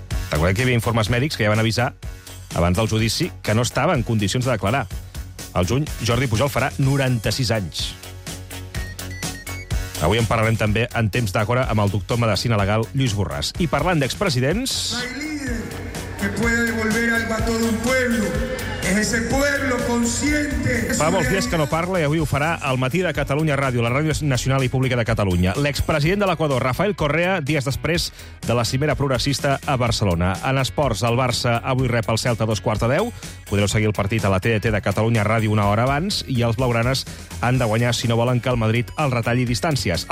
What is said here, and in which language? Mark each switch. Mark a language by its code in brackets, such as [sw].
[ca] Recordem que hi havia informes mèdics que ja van avisar, abans del judici, que no estava en condicions de declarar. Al juny, Jordi Pujol farà 96 anys. Avui en parlarem també, en temps d'agora, amb el doctor en medicina legal Lluís Borràs. I parlant d'expresidents... [es] No hay líder que pueda devolver algo a todo un pueblo. Ese pueblo consciente. [ca] Fa molts dies que no parla i avui ho farà al matí de Catalunya Ràdio, la Ràdio Nacional i Pública de Catalunya. L'expresident de l'Equador, Rafael Correa, dies després de la cimera progressista a Barcelona. En esports, el Barça avui rep el Celta 2:15. Podreu seguir el partit a la TDT de Catalunya Ràdio una hora abans i els blaugranes han de guanyar si no volen que el Madrid el retalli distàncies.